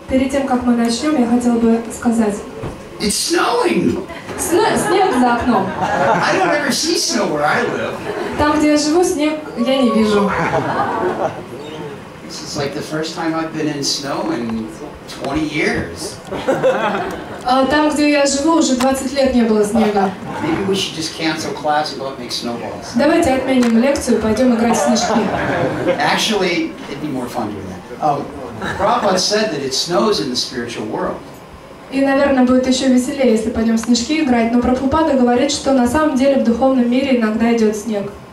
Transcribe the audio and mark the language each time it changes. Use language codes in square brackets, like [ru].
[ru] Перед тем, как мы начнем, я хотел бы сказать... [en] It's snowing! [ru] Снег за окном. [en] I don't ever see snow where I live. [ru] Там, где я живу, снег я не вижу. [en] This is like the first time I've been in snow in 20 years. [ru] Там, где я живу, уже 20 лет не было снега. [en] Maybe we should just cancel class and go make snowballs. [ru] Давайте отменим лекцию, пойдем играть в снежки. [en] Actually, it'd be more fun doing that. Prabhupada said that it snows in the spiritual world. [ru] И, наверное, будет еще веселее, если пойдем в снежки играть. Но Прабхупада говорит, что на самом деле в духовном мире иногда идет снег.